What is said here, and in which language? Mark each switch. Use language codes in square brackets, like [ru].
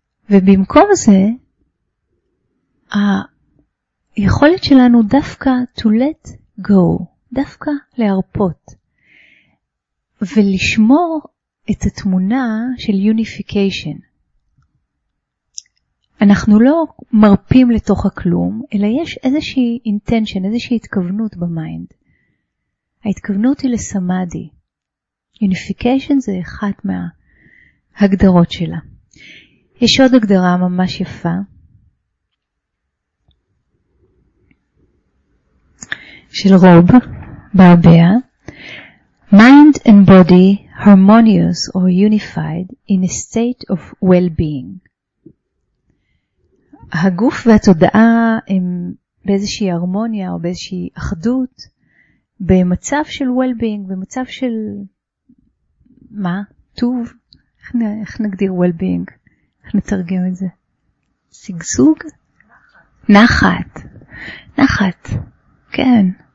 [he] ובמקום זה, היכולת שלנו דווקא [en] to let go, [he] דווקא להרפות, ולשמור את התמונה של unification. אנחנו לא מרפים לתוך הכלום, אלא יש איזושהי intention, איזושהי התכוונות במיינד. ההתכוונות היא לסמאדי. Unification זה אחת מההגדרות שלה. יש עוד הגדרה ממש יפה, של רוב, בהרבה, [en] Mind and body harmonious or unified in a state of well-being. [he] הגוף והתודעה הם באיזושהי הרמוניה או באיזושהי אחדות, במצב של well-being, במצב של מה? טוב? איך נגדיר well-being? איך נתרגם את זה? סגסוג? נחת. נחת. כן.